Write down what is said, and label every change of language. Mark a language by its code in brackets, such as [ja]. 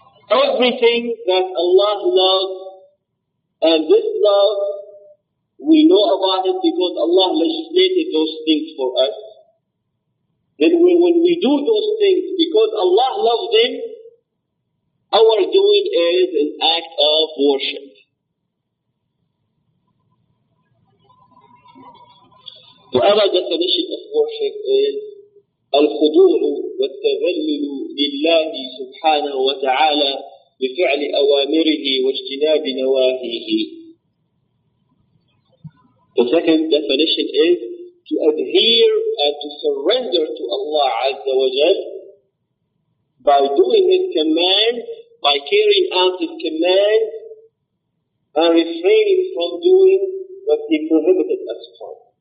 [en] Everything that Allah loves, and this love, we know about it because Allah legislated those things for us. Then when we do those things because Allah loves them, our doing is an act of worship. The other definition of worship is [ar] الخضور والتذلل لله سبحانه وتعالى بفعل أوامره واجتناب نواهيه. [en] The second definition is to adhere and to surrender to Allah Azza wa Jal by doing His command, by carrying out His command and refraining from doing what He prohibited us from.